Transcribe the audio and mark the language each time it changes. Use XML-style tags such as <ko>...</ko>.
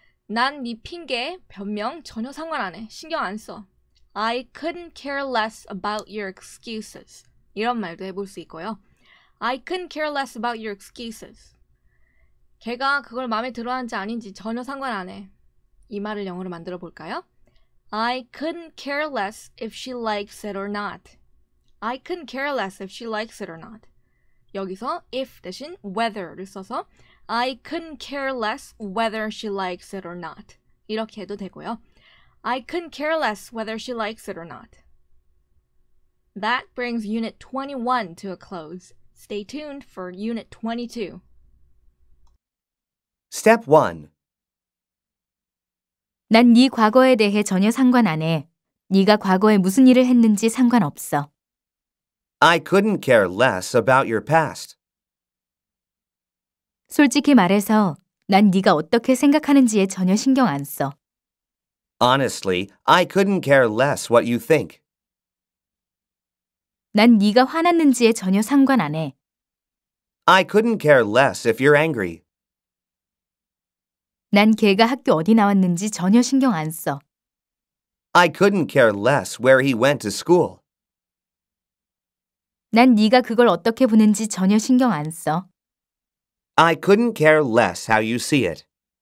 <ko>난 네 핑계, 변명 전혀 상관 안 해. 신경 안 써.</ko> <en>I couldn't care less about your excuses.</en> <ko>이런 말도 해볼 수 있고요.</ko> <en>I couldn't care less about your excuses.</en> <ko>걔가 그걸 마음에 들어 하는지 아닌지 전혀 상관 안 해. 이 말을 영어로 만들어 볼까요?</ko> <en>I couldn't care less if she likes it or not. I couldn't care less if she likes it or not.</en> <ko>여기서 if 대신 whether를 써서</ko> <en>I couldn't care less whether she likes it or not.</en> <ko>이렇게 해도 되고요.</ko> <en>I couldn't care less whether she likes it or not. That brings Unit 21 to a close. Stay tuned for Unit 22. Step 1.</en> <ko>난 네 과거에 대해 전혀 상관 안 해. 네가 과거에 무슨 일을 했는지 상관없어.</ko> <en>I couldn't care less about your past.</en> <ko>솔직히 말해서 난 네가 어떻게 생각하는지에 전혀 신경 안 써.</ko> <en>Honestly, I couldn't care less what you think.</en> <ko>난 네가 화났는지에 전혀 상관 안 해.</ko> <en>I couldn't care less if you're angry.</en> <ko>난 걔가 학교 어디 나왔는지 전혀 신경 안 써.</ko> <en>I couldn't care less where he went to school.</en> <ko>난 네가 그걸 어떻게 보는지 전혀 신경 안 써.</ko> <en>I couldn't care less how you see it.</en>